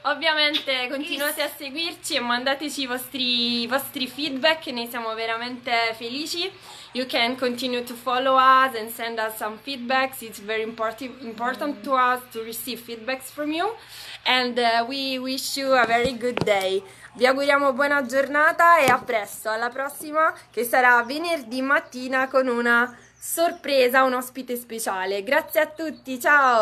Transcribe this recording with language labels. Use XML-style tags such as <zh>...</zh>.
<it>Ovviamente continuate a seguirci e mandateci i vostri feedback, ne siamo veramente felici.</it> <en>You can continue to follow us and send us some feedbacks. It's very important to us to receive feedbacks from you. And we wish you a very good day.</en> <it>Vi auguriamo buona giornata e a presto, alla prossima, che sarà venerdì mattina con una sorpresa, un ospite speciale. Grazie a tutti, ciao!</it>